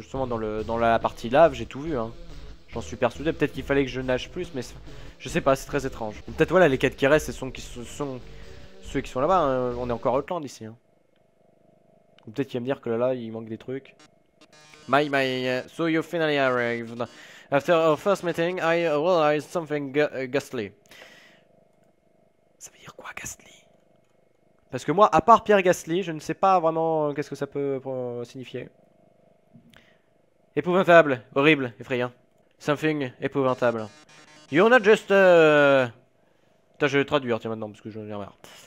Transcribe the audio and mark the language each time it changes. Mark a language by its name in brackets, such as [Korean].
[French] Justement dans la partie lave, j'ai tout vu. Hein. J'en suis persuadé. Peut-être qu'il fallait que je nage plus, mais. Je sais pas, c'est très étrange. Peut-être, voilà, les 4 qui restent, ce sont, ceux qui sont là-bas. Hein. On est encore Outland ici. Hein. Ou peut-être qu'il va me dire que là, il manque des trucs. [English] So you finally arrived. After our first meeting, I realized something ghastly. [French] Ça veut dire quoi, ghastly? Parce que moi, à part Pierre Gasly, je ne sais pas vraiment qu'est-ce que ça peut signifier. Épouvantable, horrible, effrayant. Something épouvantable. [English] You're not just [French] Attends, je vais traduire, tiens, maintenant, parce que j'en ai marre.